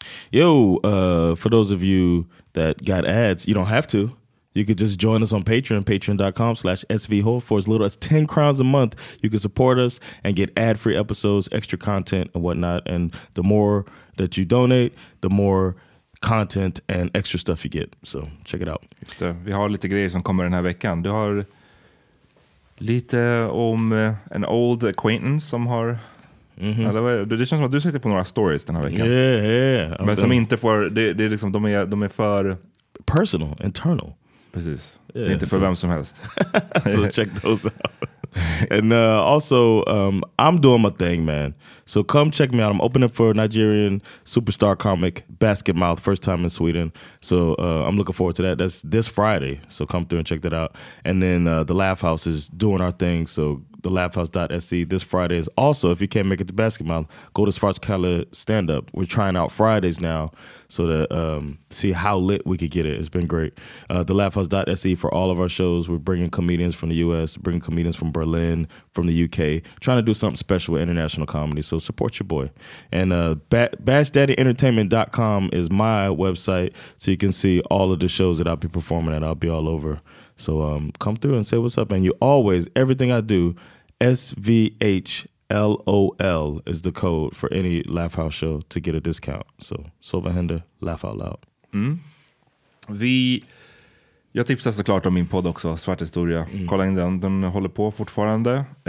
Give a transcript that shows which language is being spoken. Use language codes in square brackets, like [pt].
[en] Yo, for those of you that got ads, you don't have to. You could just join us on Patreon, patreon.com/svhole. For as little as 10 crowns a month, you can support us and get ad-free episodes, extra content and whatnot. And the more that you donate, the more content and extra stuff you get. So check it out. [sv] Just det. Vi har lite grejer som kommer den här veckan. Du har lite om en [en] old acquaintance [sv] som har... Det känns som att du sitter på några stories den här veckan. Men som inte får... Det är liksom, de är för... [en] Personal, internal. [sv] Precis. Yeah, det är inte för vem som helst. [en] So check those out. And also, I'm doing my thing, man. So come check me out. I'm opening for Nigerian superstar comic Basket Mouth, first time in Sweden. So I'm looking forward to that. That's this Friday. So come through and check that out. And then the Laugh House is doing our thing. So thelaughhouse.se this Friday. Also, if you can't make it to basketball, go to Svarts Kalle stand-up. We're trying out Fridays now so to see how lit we could get it. It's been great. Thelaughhouse.se for all of our shows. We're bringing comedians from the U.S., bringing comedians from Berlin, from the U.K., trying to do something special with international comedy. So support your boy. And BashDaddyEntertainment.com is my website, so you can see all of the shows that I'll be performing at. I'll be all over. So come through and say what's up. And you always, everything I do, SVHLOL is the code for any Laugh Out show to get a discount. So Sovahender, laugh out loud. Mm. [sv] Jag tipsar såklart om min podd också, Svart Historia. Mm. Kolla in den, den håller på fortfarande.